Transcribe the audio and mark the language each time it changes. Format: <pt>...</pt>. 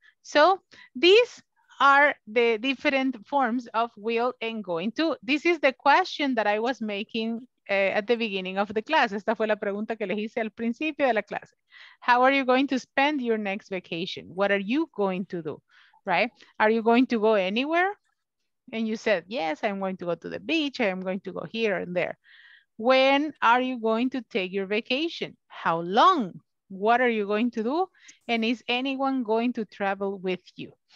<en>So these are the different forms of will and going to. This is the question that I was making at the beginning of the class.</en> <es>Esta fue la pregunta que les hice al principio de la clase.</es> <en>How are you going to spend your next vacation? What are you going to do, right? Are you going to go anywhere? And you said, yes, I'm going to go to the beach. I'm going to go here and there. When are you going to take your vacation? How long? What are you going to do? And is anyone going to travel with you?</en>